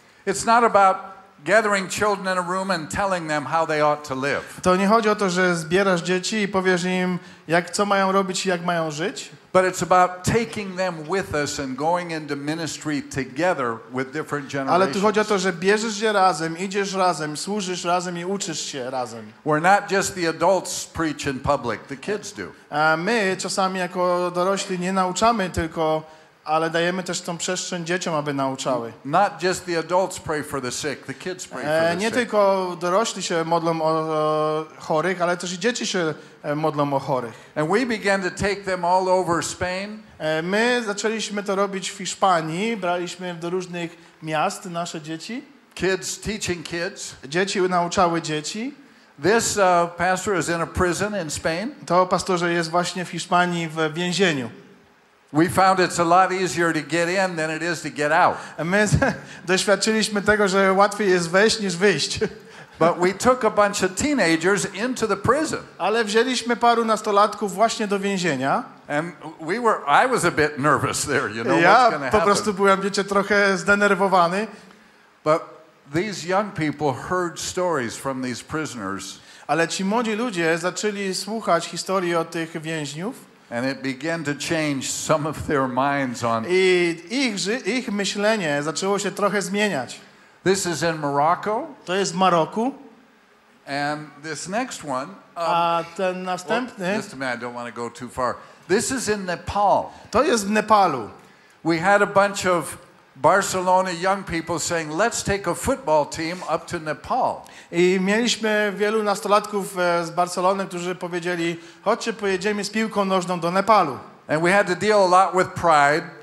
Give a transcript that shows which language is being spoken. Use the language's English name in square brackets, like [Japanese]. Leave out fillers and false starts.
[English] It's not about gathering children in a room and telling them how they ought to live. [Polish] To nie chodzi o to, że zbierasz dzieci i powiesz im, jak co mają robić i jak mają żyć. [English] But it's about taking them with us and going into ministry together with different generations. [Polish] Ale tu chodzi o to, że bierzesz je razem, idziesz razem, służysz razem i uczysz się razem. [English] We're not just the adults preach in public, the kids do. [Polish] A my czasami jako dorośli nie nauczamy tylko, ale dajemy też tą przestrzeń dzieciom, aby nauczały. [English] Not just the adults pray for the sick, the kids pray for the sick. [Polish] Nie tylko dorośli się modlą o chorych, ale też i dzieci się modlą o chorych. [English] And we began to take them all over Spain. [Polish] My zaczęliśmy to robić w Hiszpanii, braliśmy do różnych miast nasze dzieci. [English] Kids teaching kids. [Polish] Dzieci nauczały dzieci. [English] This pastor is in a prison in Spain. [Polish] To pastorze jest właśnie w Hiszpanii w więzieniu. [English] We found it's a lot easier to get in than it is to get out. [Polish] My doświadczyliśmy tego, że łatwiej jest wejść niż wyjść. [English] But we took a bunch of teenagers into the prison. [Polish] Ale wzięliśmy paru nastolatków właśnie do więzienia. [English] And I was a bit nervous there, you know, ja what's going to happen. [Polish] Po prostu byłem, wiecie, trochę zdenerwowany. [English] But these young people heard stories from these prisoners. [Polish] Ale ci młodzi ludzie zaczęli słuchać historii od tych więźniów. [English] And it began to change some of their minds on. [Polish] I ich myślenie zaczęło się trochę zmieniać. [English] This is in Morocco. [Polish] To jest w Maroku. [English] And this next one. [Polish] A ten następny. [English] Just a minute, I don't want to go too far. This is in Nepal. [Polish] To jest w Nepalu. [English] We had a bunch of Barcelona young people saying, "Let's take a football team up to Nepal." [Polish] I mieliśmy wielu nastolatków z Barcelony, którzy powiedzieli, chodźcie, pojedziemy z piłką nożną do Nepalu. [English] And we had to deal a lot with pride.